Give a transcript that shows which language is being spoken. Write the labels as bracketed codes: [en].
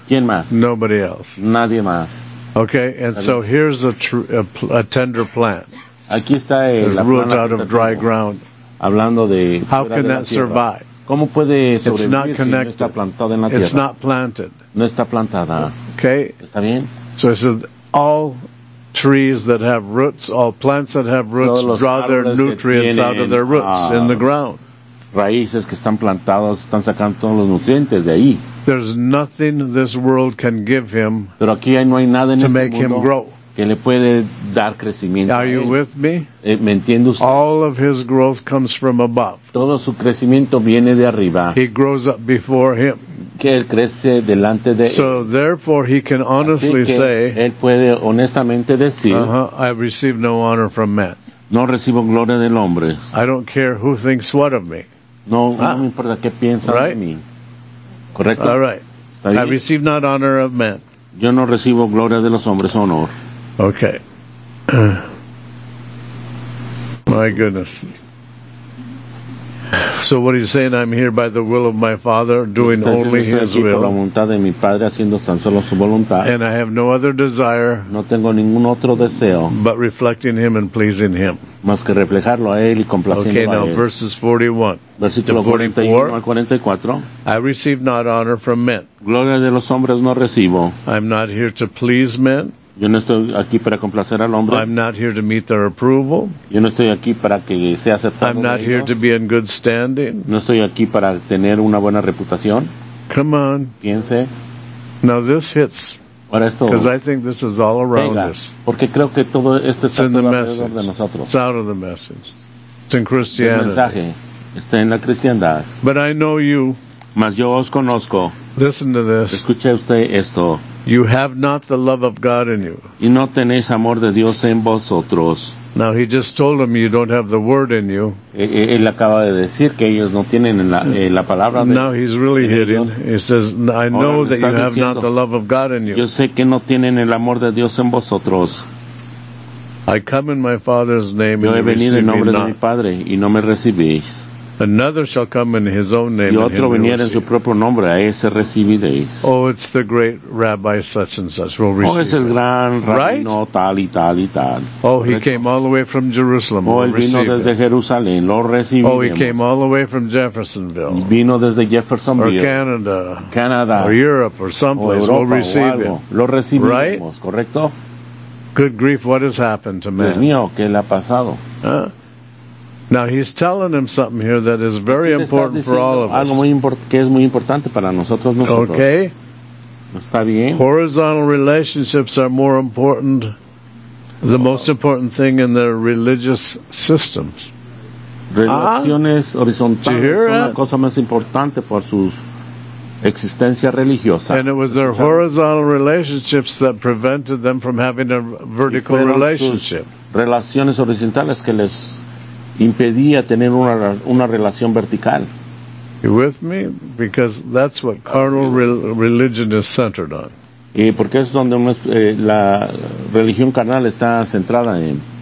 [es] ¿Quién más? [en] Nobody else. [es] Nadie más. [en] Okay, and so here's a tender plant. [es] Aquí está el [en] root out of dry ground. [es] Hablando de [en] how can that survive? [es] ¿Cómo puede sobrevivir si no está plantada en la tierra? [en] It's not planted. [es] No está plantada. [en] Okay. [es] ¿Está bien? [en] So it says all trees that have roots, all plants that have roots draw their nutrients out of their roots in the ground. [es] Raíces que están plantados están sacando todos los nutrientes de ahí. [en] There's nothing this world can give him. [es] Pero aquí no hay nada en [en] to make [es] mundo [en] him grow. [es] Que le puede dar crecimiento. [en] Are a you [es] él. [en] With me? [es] ¿Me entiende usted? [en] All of his growth comes from above. [es] Todo su crecimiento viene de arriba. [en] He grows up before him. [es] que él crece delante de [en] él. So therefore he can honestly say, [es] él puede honestamente decir, [en] I receive no honor from men. [es] No recibo gloria del hombre. [en] I don't care who thinks what of me. [es] No me importa qué piensan [en] right? [es] de mí. Correcto. [en] All right. I receive not honor of men. [es] Yo no recibo gloria de los hombres, honor. [en] Okay. My goodness. So what he's saying, I'm here by the will of my Father, doing only His will. [es] Por la voluntad de mi Padre, haciendo tan solo su voluntad. [en] And I have no other desire. [es] No tengo ningún otro deseo. [en] But reflecting Him and pleasing Him. [es] Más que reflejarlo a él y complaciendo a él. [en] Okay, now verses 41. [es] Versículo 41 al 44. [en] I receive not honor from men. [es] Gloria de los hombres no recibo. [en] I'm not here to please men. [es] Yo no estoy aquí para complacer al hombre. [en] I'm not here to meet their approval. [es] Yo no estoy aquí para que sea aceptado. [en] I'm not here to be in good standing. [es] No estoy aquí para tener una buena reputación. [en] Come on. [es] Piense. [en] Now this hits. [es] Ahora esto. [en] Because I think this is all around us. [es] Porque creo que todo esto está todo alrededor de nosotros. [en] It's out of the message. It's in Christianity. [es] El mensaje está en la cristiandad. [en] But I know you. [es] Mas yo os conozco. [en] Listen to this. [es] Escuche usted esto. [en] You have not the love of God in you. [es] Y no tenéis amor de Dios en vosotros. [en] Now he just told them you don't have the word in you. [es] Él acaba de decir que ellos no tienen la palabra de Dios. [en] Now he's really hitting. He says, I know that you have not the love of God in you. [es] Yo sé que no tienen el amor de Dios en vosotros. [en] I come in my Father's name and you receive me not. [es] Yo he venido en nombre de mi Padre y no me recibís. [en] Another shall come in his own name. [es] Y otro viniera en su propio nombre, a ese recibiréis. [en] Oh, it's the great rabbi such and such will receive. [es] Oh, es el gran rabino tal y tal y tal. [en] Oh, he came all the way from Jerusalem. [es] Oh, él vino desde Jerusalén, lo recibiremos. [en] Oh, he came all the way from Jeffersonville. [es] Vino desde Jeffersonville. [en] Or Canada. [es] Canada. [en] Or Europe or someplace, [es] Europa, [en] we'll receive him. [es] Lo recibiremos, ¿correcto? [en] Good grief, what has happened to man? [es] Dios mío, ¿qué le ha pasado? [en] Now he's telling him something here that is very important for all of us. [es] Algo muy que es muy importante para nosotros. [en] Okay. [es] Está bien. [en] Horizontal relationships are more important, the most important thing in their religious systems. [es] Relaciones horizontales son la cosa más importante por sus existencia religiosa. [en] And it was their horizontal relationships that prevented them from having a vertical relationship. [es] Relaciones horizontales que les impedía tener una relación vertical. [en] You with me? Because that's what carnal religion is centered on. [es] Y porque es donde la religión carnal está centrada en.